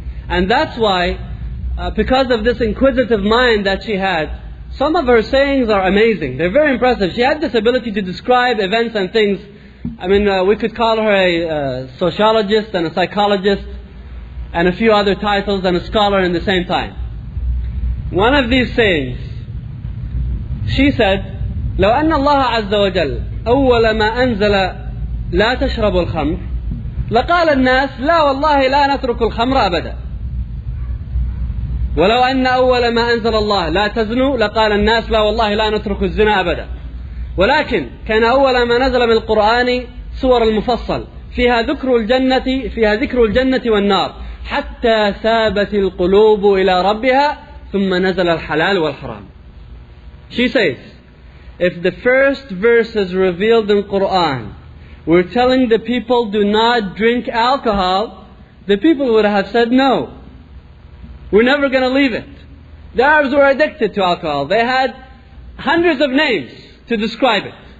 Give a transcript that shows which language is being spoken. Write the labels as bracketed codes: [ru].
[en] And that's why, because of this inquisitive mind that she had, some of her sayings are amazing. They're very impressive. She had this ability to describe events and things. I mean, we could call her a sociologist and a psychologist and a few other titles and a scholar in the same time. One of these sayings, she said, [ar] لو أن الله عز وجل أول ما أنزل لا تشرب الخمر لقال الناس لا والله لا نترك الخمر أبدا ولو أن أول ما أنزل الله لا تزنوا لقال الناس لا والله لا نترك الزنا أبدا ولكن كان أول ما نزل من القرآن سور المفصل فيها ذكر الجنة فيها ذكر الجنة والنار حتى سابت القلوب إلى ربها ثُمَّ نَزَلَ الْحَلَالُ وَالْحَرَامُ. [en] She says, if the first verses revealed in Quran were telling the people do not drink alcohol, the people would have said no. We're never going to leave it. The Arabs were addicted to alcohol. They had hundreds of names to describe it.